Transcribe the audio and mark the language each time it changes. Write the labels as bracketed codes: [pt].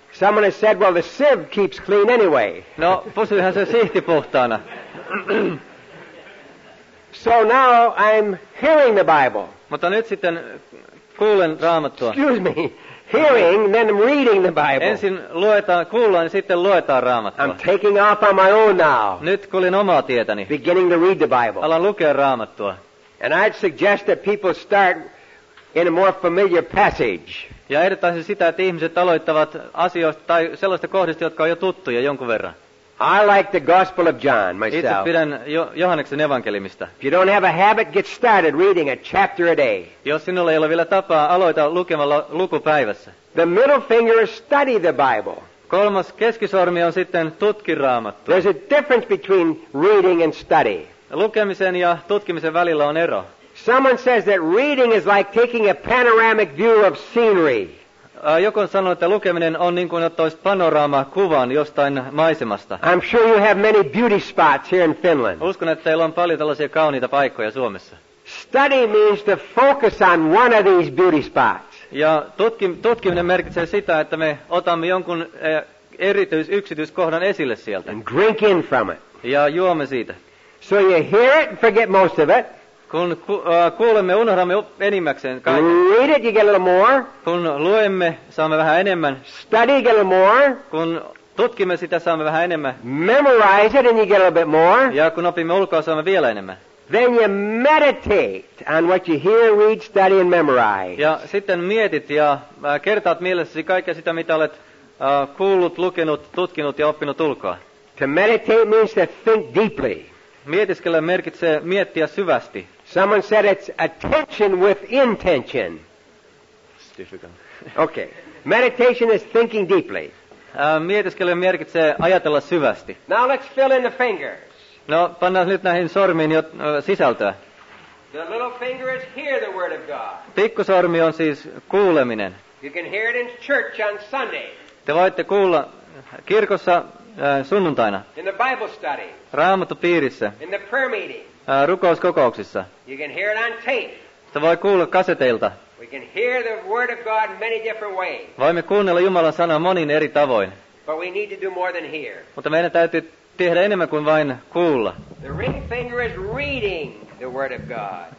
[en] Someone has said, well, the sieve keeps clean anyway. [fi] No, pysyyhän se sihti puhtaana. [en] So now I'm hearing the Bible. [fi] Mutta nyt sitten kuulen Raamattua. [en] Excuse me. Hearing, then I'm reading the Bible. [fi] Ensin luetaan, kuullaan ja sitten luetaan Raamattua. [en] I'm taking off on my own now. [fi] Nyt kuulin omaa tietäni. [en] Beginning to read the Bible. [fi] Alan lukea Raamattua. [en] And I'd suggest that people start in a more familiar passage. [fi] Ja ehdottaisin sitä, että ihmiset aloittavat asioista tai sellaista kohdista, jotka on jo tuttuja jonkun verran. [en] I like the Gospel of John myself. [fi] Itse pidän Johanneksen evankelimista. [en] If you don't have a habit, get started reading a chapter a day. [fi] Jos sinulla ei ole vielä tapaa, aloita lukemalla lukupäivässä. [en] The middle finger is study the Bible. [fi] Kolmas keskisormi on sitten tutki Raamattua. [en] There's a difference between reading and study. [fi] Lukemisen ja tutkimisen välillä on ero. [en] Someone says that reading is like taking a panoramic view of scenery. [fi] Joku sanoi, että lukeminen on niin kuin ottaisi panoraama kuvan jostain maisemasta. [en] I'm sure you have many beauty spots here in Finland. [fi] Uskon, että teillä on paljon tällaisia kauniita paikkoja Suomessa. [en] Study means to focus on one of these beauty spots. [fi] Ja tutkiminen merkitsee sitä, että me otamme jonkun yksityiskohdan esille sieltä. [en] And drink in from it. [fi] Ja juomme siitä. [en] So you hear it and forget most of it. [fi] Kun kuulemme, unohdamme enimmäkseen kaiken. [en] Read it, you get a little more. [fi] Kun luemme, saamme vähän enemmän. [en] Study, get a little more. [fi] Kun tutkimme sitä, saamme vähän enemmän. [en] Memorize it, and you get a little bit more. [fi] Ja kun opimme ulkoa, saamme vielä enemmän. [en] Then you meditate on what you hear, read, study, and memorize. [fi] Ja sitten mietit ja kertaat mielessäsi kaikkea sitä, mitä olet kuullut, lukenut, tutkinut ja oppinut ulkoa. [en] To meditate means to think deeply. [fi] Mietiskellä merkitsee miettiä syvästi. [en] Someone said it's attention with intention. It's difficult. Okay. Meditation is thinking deeply. [fi] Mietiskellä merkitsee ajatella syvästi. [en] Now let's fill in the fingers. [fi] No, pannaan nyt näihin sormiin jo sisältöä. [en] The little finger is hear the word of God. [fi] Pikkusormi on siis kuuleminen. [en] You can hear it in church on Sunday. [fi] Te voitte kuulla kirkossa sunnuntaina. [en] In the Bible study. [fi] Raamattupiirissä. [en] In the prayer meeting. [fi] Rukouskokouksissa. [en] You can hear it on tape. [fi] Te voi kuulla kaseteilta. [en] We can hear the word of God many different ways. [fi] Voimme kuunnella Jumalan sanaa monin eri tavoin. [en] But we need to do more than hear. [fi] Mutta meidän täytyy tehdä enemmän kuin vain kuulla. [en] The ring finger is reading the word of God.